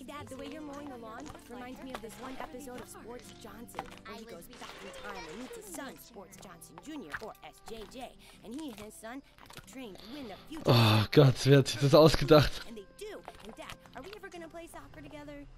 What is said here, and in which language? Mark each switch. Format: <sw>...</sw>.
<en>The way you're mowing the lawn reminds me of this one episode of Sports Johnson, where he goes back in time and meets his son, Sports Johnson Jr., or SJJ, and he and his son have to train to win the future.</en> <de>Oh Gott, wer hat sich das ausgedacht?</de> <en>And they do. And Dad, are we ever gonna play soccer together?</en>